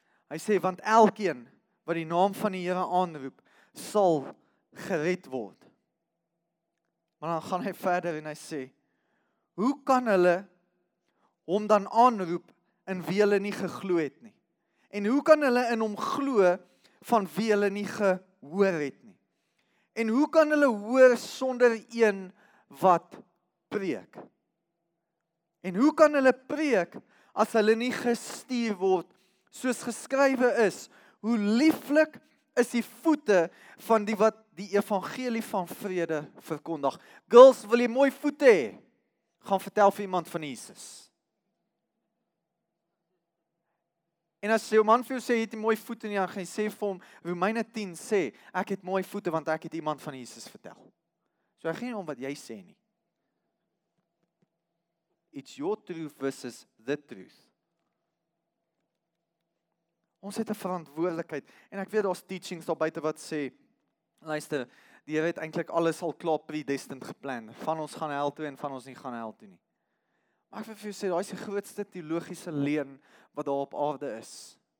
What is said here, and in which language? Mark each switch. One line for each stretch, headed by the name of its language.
Afrikaans: Hy sê, want elkeen wat die naam van die Here aanroep, sal gered word. Maar dan gaan hy verder en hy sê, hoe kan hulle hom dan aanroep, in wie hulle nie geglo het nie. En hoe kan hulle in hom glo, van wie hulle nie gehoor het nie. En hoe kan hulle hoor sonder een wat preek. En hoe kan hulle preek, as hulle nie gestuur word, soos geskrywe is, hoe lieflik is die voete van die wat die evangelie van vrede verkondig. Girls, wil jy mooi voete hê? Gaan vertel vir iemand van Jesus. En as jou man vir jou sê, jy het mooi voete nie, dan gaan jy sê vir hom, Romeine 10 sê, ek het mooi voete, want ek het iemand van Jesus vertel. So hy gee nie om wat jy sê nie.
English: It's your truth versus the truth.
Afrikaans: Ons het 'n verantwoordelikheid, en ek weet daar's teachings daar buite wat sê, luister, die Here het eintlik alles al klaar predestined geplan, van ons gaan hel toe en van ons nie gaan hel toe nie. Maar ek wil vir jou sê, daai is die grootste teologiese leen wat daar op aarde is.